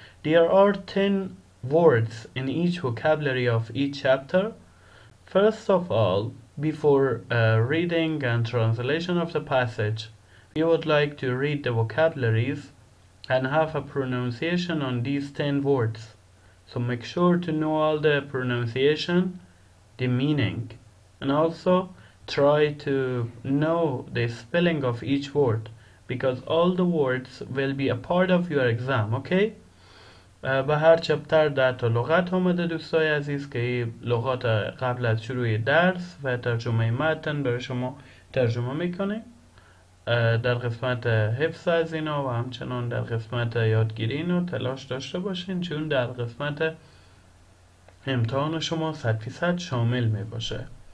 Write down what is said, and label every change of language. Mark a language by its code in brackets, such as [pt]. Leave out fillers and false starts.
[en] There are 10 words in each vocabulary of each chapter. First of all, before reading and translation of the passage, we would like to read the vocabularies and have a pronunciation on these 10 words. So make sure to know all the pronunciation, the meaning, and also try to know the spelling of each word, because all the words will be a part of your exam, okay? [fa] به هر چپتر ده تا لغت آمده دوستای عزیز که این لغات قبل از شروع درس و ترجمه متن برای شما ترجمه میکنه. در قسمت حفظ از اینا و همچنان در قسمت یادگیری اینا تلاش داشته باشین، چون در قسمت امتحان شما 100% شامل می باشه.